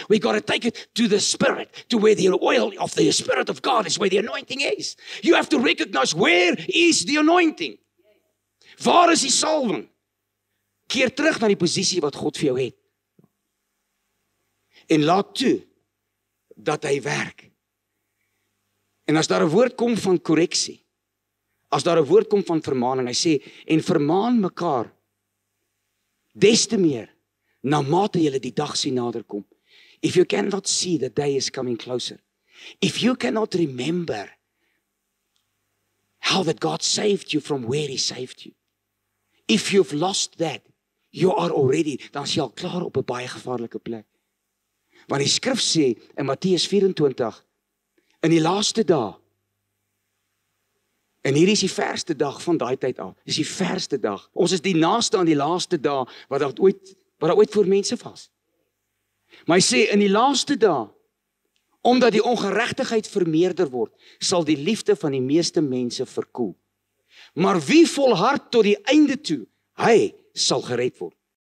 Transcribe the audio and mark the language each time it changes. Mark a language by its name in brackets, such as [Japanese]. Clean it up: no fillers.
[English] We got to take it to the spirit, to where the oil of the spirit of God is, where the anointing is. You have to recognize where is the anointing. [Afrikaans] Waar is die salwing? Keer terug na die posisie wat God vir jou het. En laat toe, dat hy werk. En as daar 'n woord kom van korreksie, as daar 'n woord kom van vermaning, hy sê, en vermaan mekaar, des te meer, namate julle die dag sien nader kom. [English] If you cannot see, the day is coming closer. If you cannot remember, how that God saved you from where he saved you. If you've lost that, You are already, [Afrikaans] dan is jy al klaar op 'n baie gevaarlike plek. Want die skrif sê in Matteus 24, in die laaste dag, en hier is die verste dag van die tyd af, is die verste dag. Ons is die naaste aan die laaste dag, wat daar ooit voor mense was. Maar hy sê, in die laaste dag, omdat die ongeregtigheid vermeerder word, sal die liefde van die meeste mense verkoel. Maar wie volhard tot die einde toe, hy sal gered word.